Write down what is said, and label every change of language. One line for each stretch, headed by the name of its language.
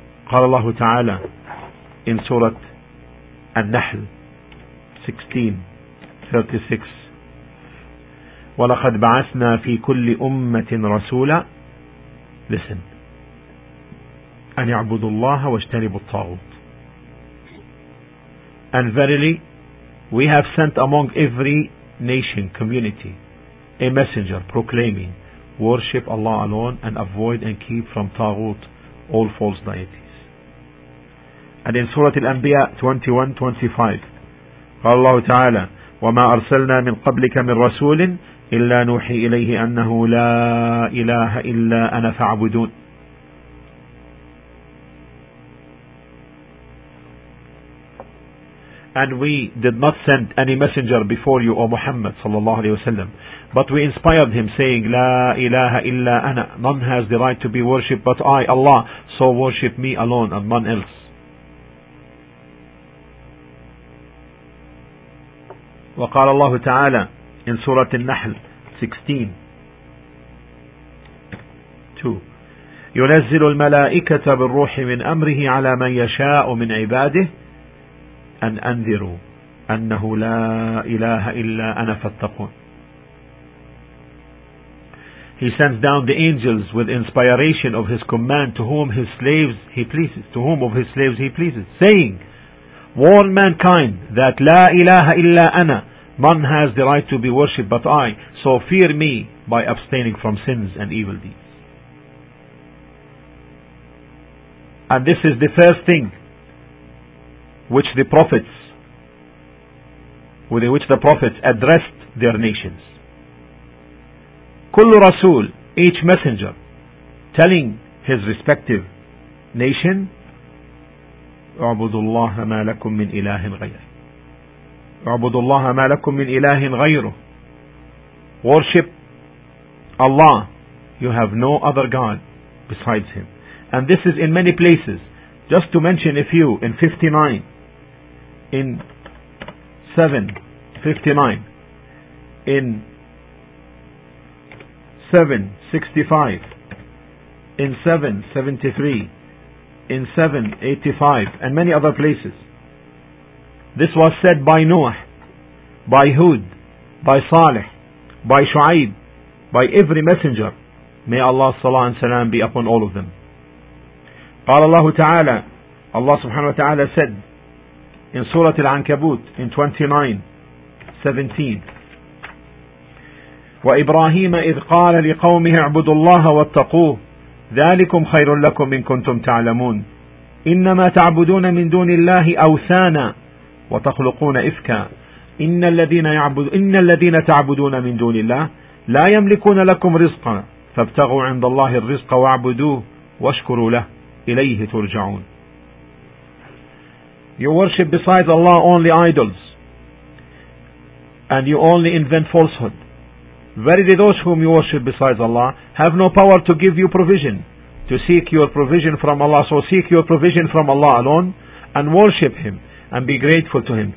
Arabic: قال الله تعالى
English: in Surah An-Nahl 16:36,
Arabic: وَلَقَدْ بَعَثْنَا فِي كُلِّ أُمَّةٍ رَسُولًا
English: listen
Arabic: أَنْ يَعْبُدُ اللَّهَ وَاجْتَنِبُ الطَّاغُوتِ
English: and verily we have sent among every nation community a messenger proclaiming worship Allah alone and avoid and keep from طاغوت all false deities. And in Surah Al-Anbiya 21:25
Arabic: قال الله تعالى وَمَا أَرْسَلْنَا مِنْ قَبْلِكَ مِنْ رَسُولٍ إلا نوحي إليه أنه لا إله إلا أنا فاعبدون.
English: And we did not send any messenger before you, O Muhammad
Arabic: صلى الله عليه وسلم,
English: but we inspired him saying
Arabic: لا إله إلا أنا,
English: none has the right to be worshipped but I, Allah, so worship me alone and none else.
Arabic: وقال الله تعالى
English: in Surah An-Nahl 16:2
Arabic: ينزل الملائكة بالروح من أمره على من يشاء من عباده أن أنذروا أنه لا إله إلا أنا فاتقون.
English: He sends down the angels with inspiration of his command to whom his slaves he pleases, to whom of his slaves he pleases, saying, warn mankind that
Arabic: لا إله إلا أنا,
English: none has the right to be worshipped but I, so fear me by abstaining from sins and evil deeds. And this is the first thing which the prophets, with which the prophets addressed their nations. Kullu Rasul, each messenger, telling his respective nation,
Arabic: U'budullaha ma lakum min ilahin ghayr. اعبدوا الله ما لكم من إله غيره.
English: Worship Allah, you have no other God besides Him. And this is in many places. Just to mention a few, in 59, in 7:59, in 7:65, in 7:73, in 7:85, and many other places. This was said by Noah, by Hud, by Saleh, by Shu'aib, by every messenger. May Allah salam and salam be upon all of them.
Arabic: قال الله تعالى,
English: Allah subhanahu wa ta'ala said in Surah Al-Ankabut in 29:17,
Arabic: وَإِبْرَاهِيمَ إِذْ قَالَ لِقَوْمِهِ اعْبُدُوا اللَّهَ وَاتَّقُوهُ ذَلِكُمْ خَيْرٌ لَكُمْ إِن كُنْتُمْ تَعْلَمُونَ إِنَّمَا تَعْبُدُونَ مِن دُونِ اللَّهِ أَوْثَانًا وتخلقون إفكا إن الذين تعبدون من دون الله لا يملكون لكم رزقا فابتغوا عند الله الرزق واعبدوه واشكروا له إليه ترجعون.
English: You worship besides Allah only idols and you only invent falsehood. Verily those whom you worship besides Allah have no power to give you provision, to seek your provision from Allah. So seek your provision from Allah alone and worship Him and be grateful to Him.